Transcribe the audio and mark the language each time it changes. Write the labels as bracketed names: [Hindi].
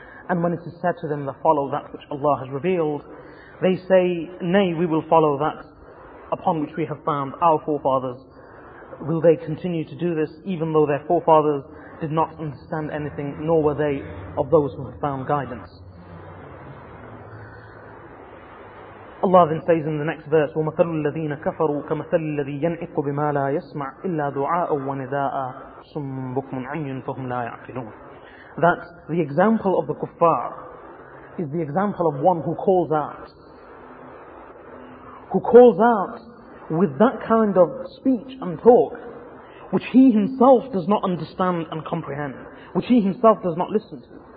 [English] And when it is said to them, they follow that which Allah has revealed, they say, nay, we will follow that upon which we have found our forefathers. Will they continue to do this, even though their forefathers did not understand anything, nor were they of those who had found guidance? Allah then says in the next verse, [Arabic] وَمَثَلُ الَّذِينَ كَفَرُوا كَمَثَلِ الَّذِي يَنْعِقُ بِمَا لَا يَسْمَعْ إِلَّا دُعَاءً وَنِدَاءً صُمٌّ بُكْمٌ عُمْيٌ فَهُمْ لَا يَعْقِلُونَ. [English] That the example of the kuffar is the example of one who calls out. Who calls out with that kind of speech and talk which he himself does not understand and comprehend, which he himself does not listen to.